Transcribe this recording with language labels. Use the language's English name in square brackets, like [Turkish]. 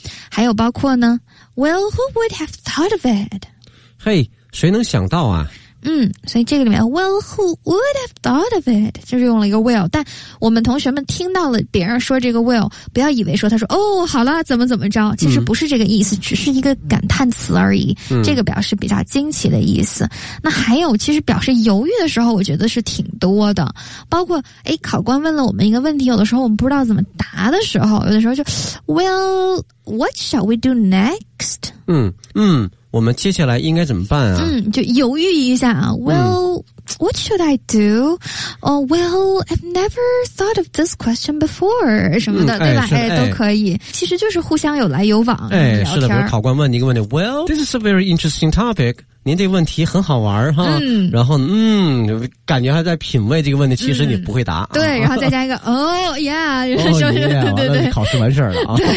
[Chinese] 还有包括呢 [English] ，Well, who would have thought of it？ [Chinese] 嘿，谁能想到啊？所以这个里面 [English] ，Well, who would have thought of it？ [Chinese] 就是用了一个 will， 但我们同学们听到了别人说这个 will， 不要以为说他说哦，好了，怎么怎么着，其实不是这个意思，只是一个感叹词而已。这个表示比较惊奇的意思。那还有，其实表示犹豫的时候，我觉得是挺多的，包括考官问了我们一个问题，有的时候我们不知道怎么答的时候，有的时候就 ，Well。 [English] What shall we do next? [Chinese] 我们接下来应该怎么办啊？就犹豫一下啊。 [English] Well, what should I do? Oh, well, I've never thought of this question before. [Chinese] 什么的，对吧？都可以。其实就是互相有来有往。是的，比如考官问你一个问题。 [English] Well, this is a very interesting topic. [Chinese] 您这个问题很好玩哈，然后感觉还在品味这个问题，其实你不会答。对，然后再加一个对对，考试完事儿了啊。